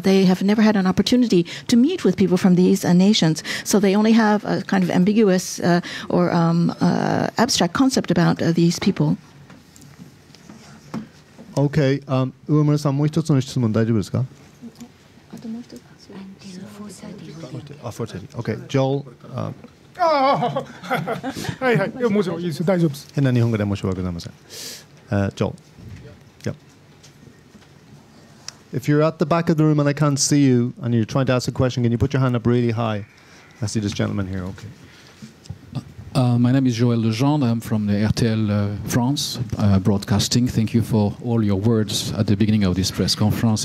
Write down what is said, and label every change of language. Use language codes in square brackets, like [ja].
[en] They have never had an opportunity to meet with people from these nations. So they only have a kind of ambiguous abstract concept about these people. [ja] OK、上村さん、もう一つの質問大丈夫ですか？あともう一つ。あ、430。OK、Joel。ああ、はいはい。もちろんいいです。大丈夫です。変な日本語で申し訳ございません。 [en] Joel。 Yep。 If you're at the back of the room and I can't see you and you're trying to ask a question, can you put your hand up really high? I see this gentleman here. OK。 My name is Joël Legendre. I'm from the RTL France broadcasting. Thank you for all your words at the beginning of this press conference.